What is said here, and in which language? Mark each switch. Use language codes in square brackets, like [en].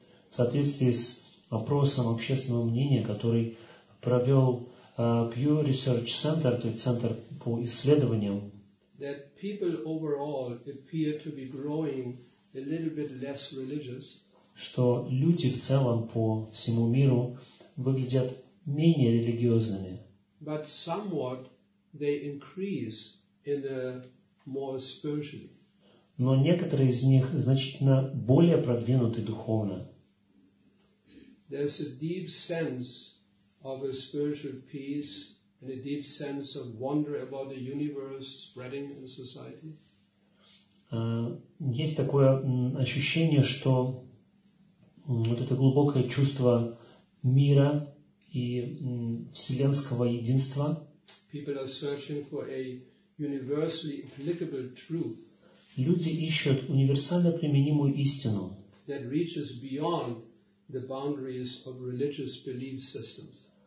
[ru] В соответствии с опросом общественного мнения, который провел Pew Research Center, то есть центр по исследованиям, [en] that people overall appear to be growing a little bit less religious, [ru] что люди в целом по всему миру выглядят менее религиозными, [en] but somewhat they increase in the more spiritually. [ru] Но некоторые из них значительно более продвинуты духовно. [en] There's a deep sense of a spiritual peace and a deep sense of wonder about the universe spreading in society. [ru] Есть такое ощущение, что вот это глубокое чувство мира и вселенского единства. [en] People are searching for a universally applicable truth. [ru] Люди ищут универсально применимую истину, [en] that reaches beyond the boundaries of religious belief systems,